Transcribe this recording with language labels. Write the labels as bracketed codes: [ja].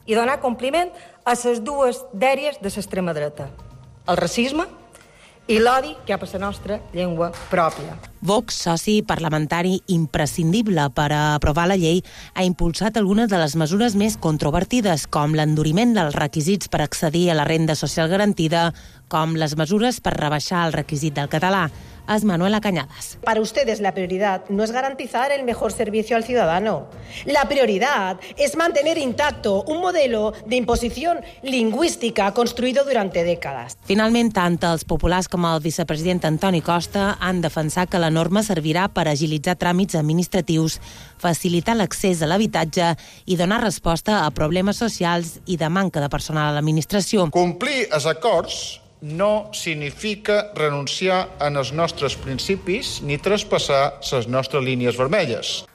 [ca] I donar compliment a les dues dèries de l'extrema dreta, el racisme i l'odi que ha per la nostra llengua pròpia. Vox, soci parlamentari imprescindible per a aprovar la llei, ha impulsat algunes de les mesures més controvertides, com l'enduriment dels requisits per accedir a la renda social garantida, com les mesures per rebaixar el requisit del català. És Manuela Cañadas. [es] Para ustedes la prioridad no es garantizar el mejor servicio al ciudadano. La prioridad es mantener intacto un modelo de imposición lingüística construido durante décadas. [ca] Finalment, tant els populars com el vicepresident Antoni Costa han defensat que la norma servirà per agilitzar tràmits administratius, facilitar l'accés a l'habitatge i donar resposta a problemes socials i de manca de personal a l'administració. Complir els acords no significa renunciar en els nostres principis ni traspassar les nostres línies vermelles.